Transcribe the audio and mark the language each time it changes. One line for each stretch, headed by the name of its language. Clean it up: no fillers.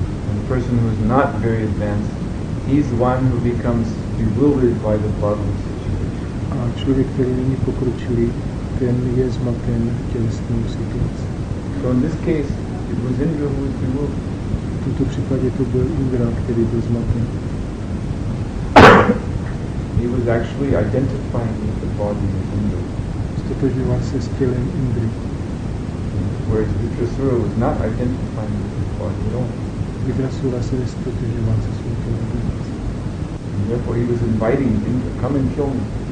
English: And the person who is not very advanced, he's one who becomes bewildered by the bodies.
Czech: A člověk, který není pokročilý, ten je zmaten tělesnou situací.
English: So in this case, it was Indra who was bewildered.
Czech: V tomto případě to byl Indra, který byl zmaten.
English: He was actually identifying with the body of Indra.
Czech: Stotožňoval se s tělem Indry.
English: Whereas Vidrasura was not identifying with his body at all.
Czech: Vidrasura se nestotožňoval se svým tělem Indry.
English: Therefore he was inviting Indra, come and kill me.